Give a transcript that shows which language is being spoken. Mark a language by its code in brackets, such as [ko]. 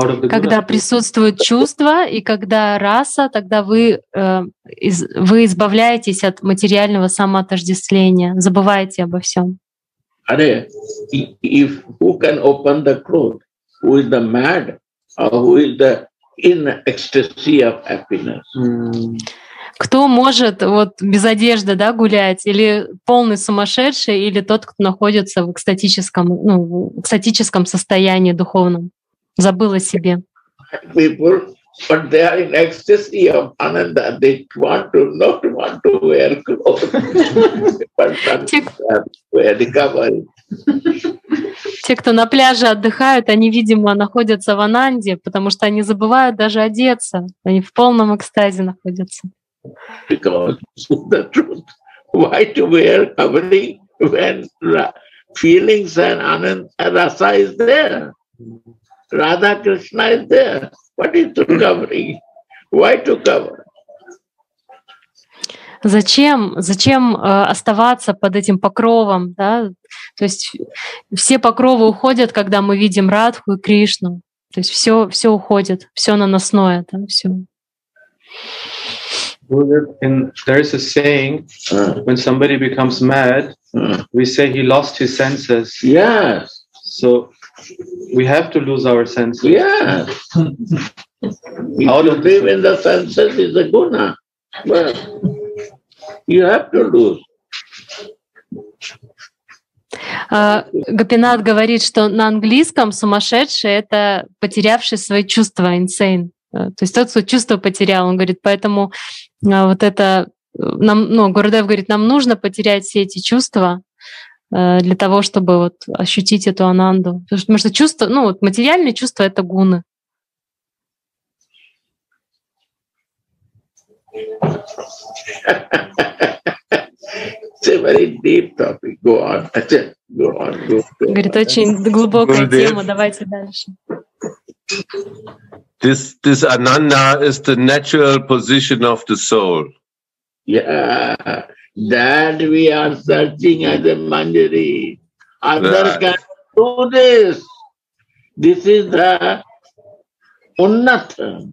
[ru] Когда присутствуют чувства и когда раса, тогда вы избавляетесь от материального самоотождествления, забываете обо всем. [en] Are if who can open the cloth? Who is the mad or who is the in ecstasy of happiness? [ru] Кто может вот без одежды, да, гулять, или полный сумасшедший, или тот, кто находится в экстатическом, ну, в экстатическом состоянии духовном? Забыла себе. [en] People, but they are in ecstasy of ananda. They want to not want to wear clothes. [ru] Те, кто на пляже отдыхают, они, видимо, находятся в ананде, потому что они забывают даже одеться. Они в полном экстазе находятся. [en] Because the truth, why to wear covering when feelings and ananda rasa is there? Radha Krishna is there. What is to covering? Why to cover? [ru] Зачем оставаться под этим покровом, да? То есть все покровы уходят, когда мы видим Радху и Кришну. То есть все уходит, все наносное, да, все. [en] And there is a saying: when somebody becomes mad, we say he lost his senses. Yes. So. We have to lose our senses. Yeah. How to live in the senses is a guna. Well, you have to lose. [ru] Гопинат говорит, что на английском сумасшедший — это потерявший свои чувства, insane. То есть тот, кто чувства потерял, он говорит, поэтому вот это... Нам, ну, Гурудев говорит, нам нужно потерять все эти чувства, для того, чтобы вот ощутить эту ананду. Потому что чувство, ну, вот материальные чувства — это гуны. [en] It's a very deep topic. Go on. Go on. [ru] Говорит, очень глубокая тема. Давайте дальше. [en] This ananda is the natural position of the soul. Yeah. That we are searching as a manjari. Others can't do this. This is the unnata.